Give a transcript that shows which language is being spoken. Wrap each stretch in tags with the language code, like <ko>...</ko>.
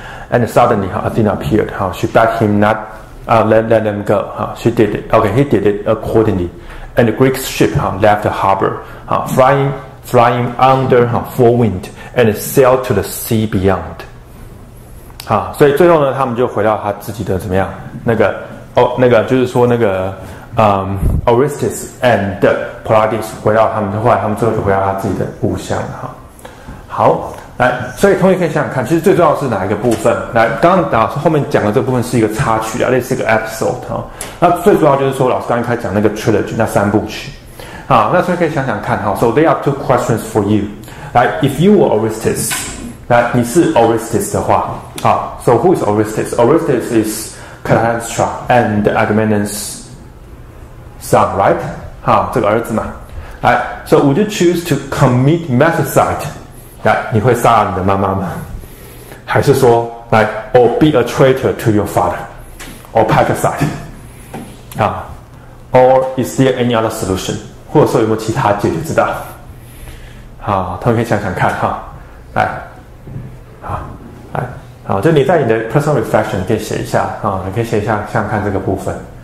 <en>And suddenly Athena appeared. She begged him not to let them go. He did it accordingly. And the Greek ship left the harbor, flying under full wind, and sailed to the sea beyond.</en> <zh>所以最后呢，他们就回到他自己的怎么样？Orestes and Polydeus 回到他们，后来他们最后就回到他自己的故乡。好，来，所以同学可以想想看，其实最重要的是哪一个部分？来，刚刚老师后面讲的这部分是一个插曲啊，类似一个 episode 那最主要就是说，老师刚才讲那个 trilogy 那三部曲。好，那所以可以想想看哈。</zh> <en>So there are two questions for you. 来 ，if you were Orestes，</en> <zh>来，你是 Orestes 的话，好</zh> <en>，So who is Orestes？ Orestes is Cleopatra and Agamemnon's son, right?</en> <zh>好，这个儿子嘛。</zh> <en>来 ，So would you choose to commit matricide？</en> <zh>来，你会杀了你的妈妈吗？还是说，来</zh> <en>，or be a traitor to your father， or parricide， or is there any other solution？</en> <zh>或者说有没有其他解决之道？好，同学可以想想看哈。来，好，就你在你的 personal reflection 可以写一下你可以写一下，想看这个部分。</zh>